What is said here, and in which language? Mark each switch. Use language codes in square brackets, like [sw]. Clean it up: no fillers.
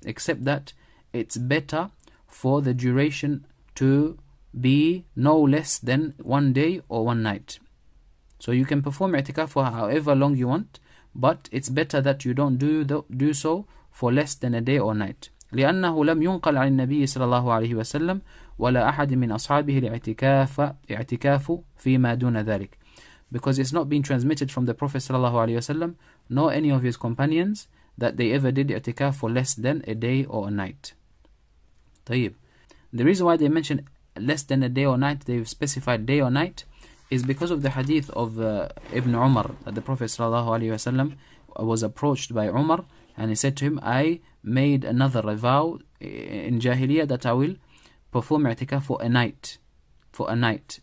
[en] Except that it's better for the duration to be no less than one day or one night. So you can perform i'tikaf for however long you want, but it's better that you don't do so for less than a day or night. [ar] لأنه لم ينقل عن النبي صلى الله عليه وسلم ولا أحد من أصحابه الاعتكاف فيما دون ذلك. [en] Because it's not been transmitted from the Prophet [ar] صلى الله عليه وسلم [en] nor any of his companions that they ever did i'tikaf for less than a day or a night. [ar] طيب. [en] The reason why they mention less than a day or night, they've specified day or night, is because of the hadith of Ibn Umar, that the Prophet sallallahu alaihi wasallam was approached by Umar and he said to him, I made another vow in Jahiliyyah that I will perform i'tikaf for a night. For a night.